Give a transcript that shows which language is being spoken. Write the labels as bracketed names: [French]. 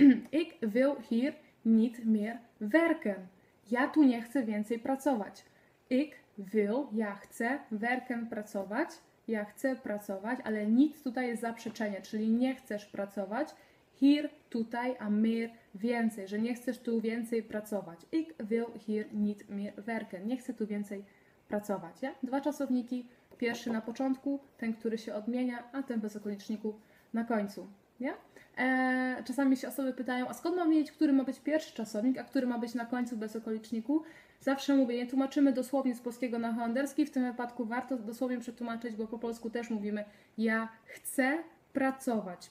[Dutch] Ik wil hier niet meer werken. [Polish] Ja tu nie chcę więcej pracować. [Dutch] Ik wil, [Polish] ja chcę, [Dutch] werken, [Polish] pracować. Ja chcę pracować, ale nic tutaj jest zaprzeczenie, czyli nie chcesz pracować. Hier, tutaj, a mir, więcej, że nie chcesz tu więcej pracować. [Dutch] Ik wil hier niet meer werken. [Polish] Nie chcę tu więcej pracować. Ja? Dwa czasowniki, pierwszy na początku, ten, który się odmienia, a ten bez okoliczników na końcu. Ja? Czasami się osoby pytają, a skąd mam wiedzieć, który ma być pierwszy czasownik, a który ma być na końcu bez okoliczniku? Zawsze mówię, nie tłumaczymy dosłownie z polskiego na holenderski, w tym wypadku warto dosłownie przetłumaczyć, bo po polsku też mówimy ja chcę pracować.